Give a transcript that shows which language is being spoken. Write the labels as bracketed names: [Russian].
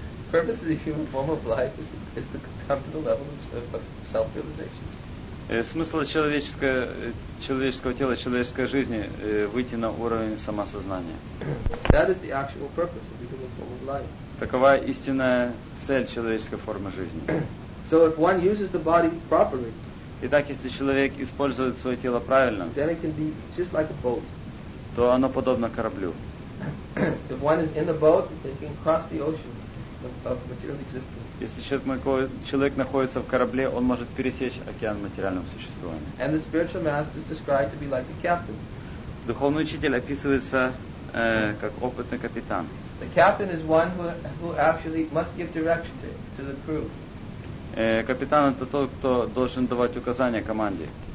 [English] Purpose of the human form of life is to come to the level of self-realization. [Russian] Смысл человеческого тела, человеческой жизни выйти на уровень самосознания. [English] That is the actual purpose of the human form of life. [Russian] Такова истинная цель человеческой формы жизни. [English] So if one uses the body properly, [Russian] итак, если человек использует свое тело правильно, [English] then it can be just like a boat. [Russian] То оно подобно кораблю. [English] If one is in the boat, they can cross the ocean of material existence. [Russian] Если человек находится в корабле, он может пересечь океан материального существования. [English] And the spiritual master is described to be like a captain. [Russian] Духовный учитель описывается как опытный капитан. [English] The captain is one who actually must give direction to the crew. [Russian] Капитан — это тот, кто должен давать указания команде.